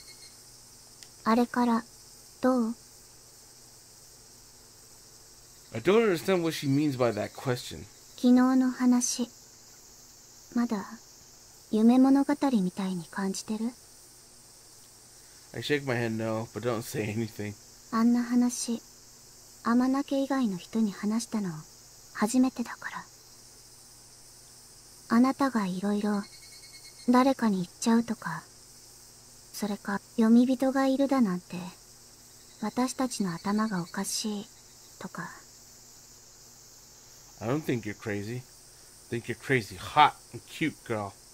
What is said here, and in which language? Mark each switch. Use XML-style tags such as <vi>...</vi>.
<ja>そんなに急ぐことないのに。あれからどう?</ja> <en>I don't understand what she means by that question.</en> <ja>昨日の話、まだ夢物語みたいに感じてる?</ja> <en>I shake my head no, but don't say anything.</en> <ja>あんな話、天野家以外の人に話したの初めてだから。あなたがいろいろ誰かに言っちゃうとか、それか読み人がいるだなんて、私たちの頭がおかしいとか。</ja> <en>I don't think you're crazy. I think you're crazy, hot and cute girl.</en>